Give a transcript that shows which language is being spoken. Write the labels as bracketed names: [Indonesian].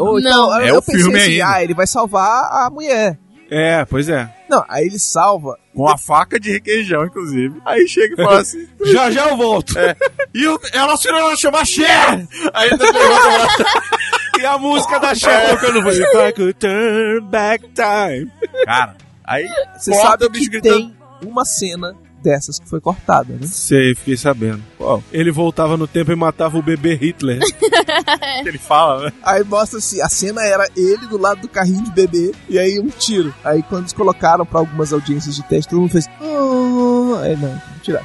[Portuguese] Ou, não, então, é o filme assim, ainda. Ah, ele vai salvar a mulher. É, pois é. Não, aí ele salva. Com a faca de requeijão, inclusive. Aí chega e fala assim... Já, já eu volto. É. E o, ela se chama chamar Cher. Aí ele pergunta... E a música da Cher tocando... [English] If I could turn back time. [Portuguese] Cara, aí... Você sabe o bicho que gritando. Tem uma cena dessas que foi cortada, né? Sei, fiquei sabendo. Uau. Ele voltava no tempo e matava o bebê Hitler. Ele fala, né? Aí mostra assim, a cena era ele do lado do carrinho de bebê e aí um tiro. Aí quando eles colocaram pra algumas audiências de teste, todo mundo fez... Aí não, tem que tirar.